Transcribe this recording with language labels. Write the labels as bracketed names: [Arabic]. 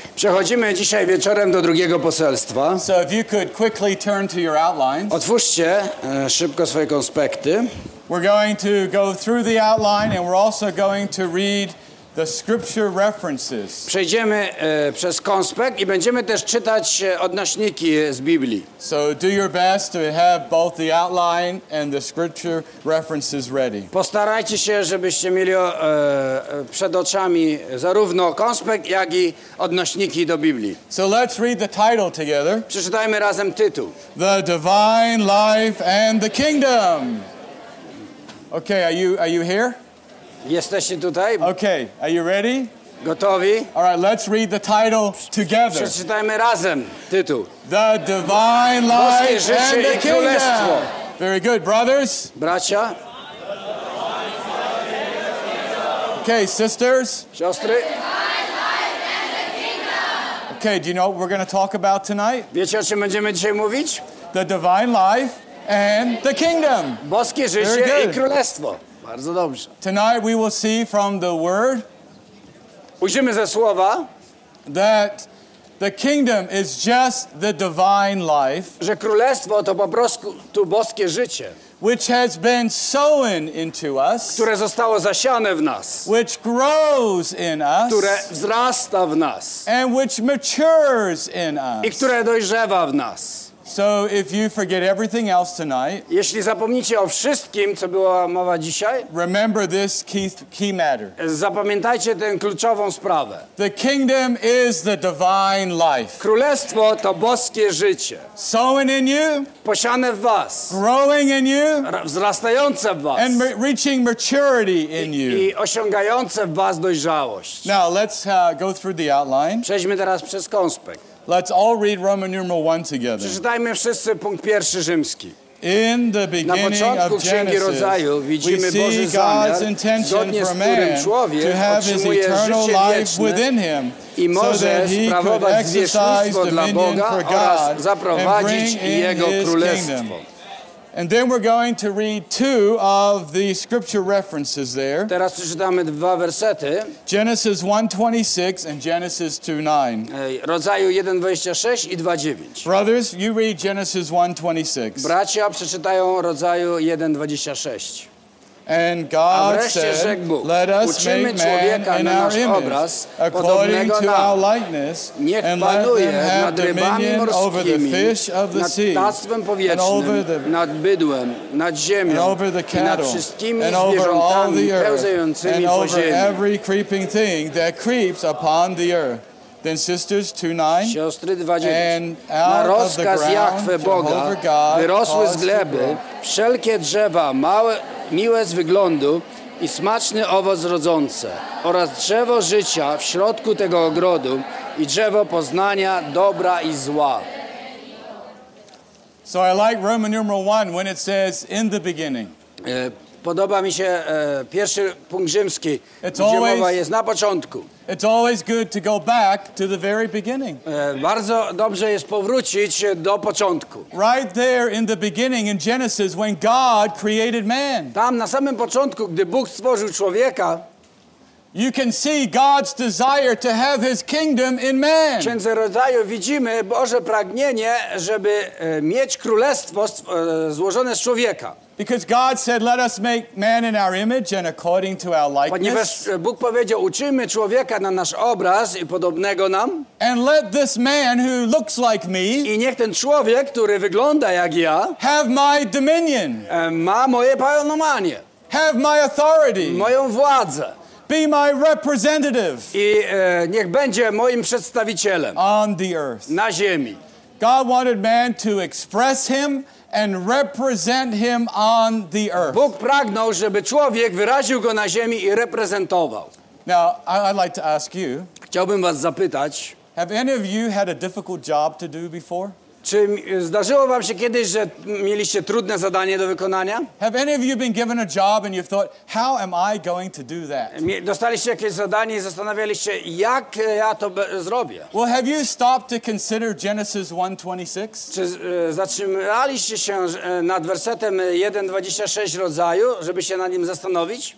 [Polish] Przechodzimy dzisiaj wieczorem do drugiego poselstwa. [English] So if you could quickly turn to your outlines. [Polish] Otwórzcie szybko swoje konspekty. [English] We're going to go through the outline and we're also going to read the scripture references. [Polish] Przejdziemy przez konspekt i będziemy też czytać odnośniki z Biblii. [English] So do your best to have both the outline and the scripture references ready. [Polish] Postarajcie się, żebyście mieli przed oczami zarówno konspekt, jak i odnośniki do Biblii. [English] So let's read the title together. [Polish] Przeczytajmy razem tytuł. [English] The Divine Life and the Kingdom. Okay, are you here? [Polish] Jesteście tutaj? [English] Okay, are you ready? [Polish] Gotowi? [English] All right, let's read the title together. [Polish] Przeczytajmy razem tytuł. [English] The Divine Life [Polish] Boskie życie [English] and the [Polish] i Królestwo. [English] Kingdom. Very good, brothers. [Polish] Bracia. [English] Okay, sisters. [Polish] Siostry. [English] The Divine Life and the Kingdom. Okay, do you know what we're going to talk about tonight? [Polish] Wiecie, o czym będziemy dzisiaj mówić? [English] The Divine Life and the Kingdom. [Polish] Boskie życie i Królestwo. Bardzo dobrze. [English] Tonight we will see from the word. [Polish] Ujrzymy ze słowa, [English] that the kingdom is just the divine life. [Polish] Że królestwo to po prostu to boskie życie. [English] Which has been sown into us. [Polish] Które zostało zasiane w nas. [English] Which grows in us. [Polish] Które wzrasta w nas. [English] And which matures in us. [Polish] I które dojrzewa w nas. [English] So if you forget everything else tonight, [Polish] jeśli zapomnicie o wszystkim, co była mowa dzisiaj, [English] remember this key matter. [Polish] Zapamiętajcie tę kluczową sprawę. [English] The kingdom is the divine life. [Polish] Królestwo to boskie życie. [English] Sown in you, [Polish] posiane w was. [English] Growing in you, [Polish] wzrastające w was. [English] And reaching maturity in you. [Polish] I osiągające w was dojrzałość. [English] Now let's go through the outline. [Polish] Przejdźmy teraz przez konspekt. [English] Let's all read Roman numeral 1 together. [Polish] Przeczytajmy wszyscy punkt pierwszy rzymski. [English] In the beginning of Genesis, we see God's intention for man to have his eternal life within him so that he could exercise dominion for God and bring in his kingdom. And then we're going to read two of the scripture references there. [Polish] Teraz przeczytamy dwa wersety. [English] Genesis 1:26 and Genesis 2:9. [Polish] Rodzaju 1:26 i 2:9. [English] Brothers, you read Genesis 1:26. [Polish] Bracia przeczytają Rodzaju 1:26. [English] And God said, let us make man in our image, according to our likeness, and let them have dominion over the fish of the sea, and over the, [Polish] nad bydłem, nad ziemią, [English] and over the cattle, and over all the earth, and over every creeping thing that creeps upon the earth. Then sisters, 2:9, [Polish] siostry 2:9, [English] and out of the ground, [Polish] Jahwe Boga, [English] Jehovah God, [Polish] wyrosły z gleby wszelkie drzewa, małe, miłe z wyglądu i smaczny owoc rodzące, oraz drzewo życia w środku tego ogrodu i drzewo poznania dobra i zła. [English] So I like Roman numeral 1 when it says in the beginning. [Polish] Podoba mi się pierwszy punkt rzymski, gdzie mowa jest na początku. [English] It's always good to go back to the very beginning. [Polish] Bardzo dobrze jest powrócić do początku. [English] Right there in the beginning in Genesis when God created man. [Polish] Tam na samym początku, gdy Bóg stworzył człowieka, [English] you can see God's desire to have his kingdom in man. [Polish] W Księdze Rodzaju widzimy Boże pragnienie, żeby mieć królestwo złożone z człowieka. [English] Because God said, let us make man in our image and according to our likeness. [Polish] Ponieważ Bóg powiedział, uczyńmy człowieka na nasz obraz i podobnego nam. [English] And let this man who looks like me, [Polish] i niech ten człowiek, który wygląda jak ja, [English] have my dominion. [Polish] Ma moje pełnomocnie. [English] Have my authority. [Polish] Moją władzę. [English] Be my representative. [Polish] I niech będzie moim przedstawicielem. [English] On the earth. [Polish] Na ziemi. [English] God wanted man to express him and represent him on the earth. [Polish] Bóg pragnął, żeby człowiek wyraził go na ziemi i reprezentował. [English] Now, I'd like to ask you. [Polish] Chciałbym was zapytać. [English] Have any of you had a difficult job to do before? [Polish] Czy zdarzyło wam się kiedyś, że mieliście trudne zadanie do wykonania? [English] Have any of you been given a job and you've thought, how am I going to do that? [Polish] Dostaliście jakieś zadanie i zastanawialiście się, jak ja to zrobię? [English] Well, have you stopped to consider Genesis 1:26? [Polish] Czy zatrzymaliście się nad wersetem 1:26 rodzaju, żeby się nad nim zastanowić?